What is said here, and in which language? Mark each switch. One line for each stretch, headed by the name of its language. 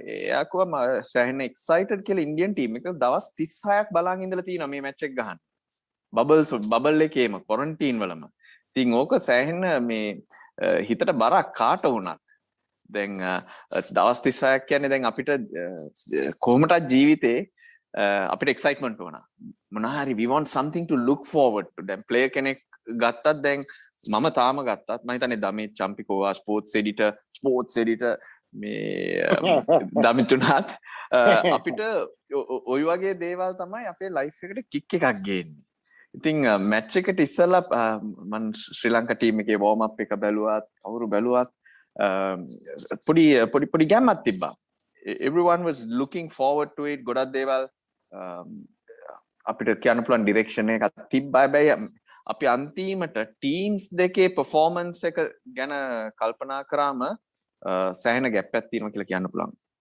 Sinhala: එයා කිව්වා මම සෑහෙන එක්සයිටඩ් කියලා ඉන්ඩියන් ටීම් එක දවස් 36ක් බලන් ඉඳලා තියෙනවා මේ මැච් එක ගහන්න. බබල්ස් බබල් එකේම ක්වොරන්ටයින් වලම. ඉතින් ඕක සෑහෙන මේ හිතට බරක් කාට වුණත්. දැන් දවස් 36ක් කියන්නේ දැන් අපිට කොහොමටත් ජීවිතේ අපිට එක්සයිට්මන්ට් වුණා. මොනවා හරි
English: we want something to look forward to.
Sinhala: දැන් ප්ලේයර් කෙනෙක් ගත්තත් දැන් මම තාම ගත්තත් මම හිතන්නේ දමේ චම්පිකෝවා ස්පෝර්ට්ස් එඩිටර් මේ දමිතුනාත් අපිට ওই වගේ දේවල් තමයි අපේ ලයිෆ් එකට කික් එකක් ගේන්නේ. ඉතින් මැච් එකට ඉස්සලා මම ශ්‍රී ලංකා ටීම් එකේ වෝම් අප් එක බැලුවත් කවුරු බැලුවත් පොඩි පොඩි පොඩි ගැම්මක් තිබ්බා.
English: Everyone was looking forward to it.
Sinhala: ගොඩක් දේවල් අපිට කියන්න පුළුවන් ඩිරෙක්ෂන් එකක් තිබ්බා. හැබැයි අපි අන්තිමට ටීම්ස් දෙකේ පර්ෆෝමන්ස් එක ගැන කල්පනා කරාම සෑහෙන ගැප් එකක් තියෙනවා කියලා කියන්න පුළුවන්.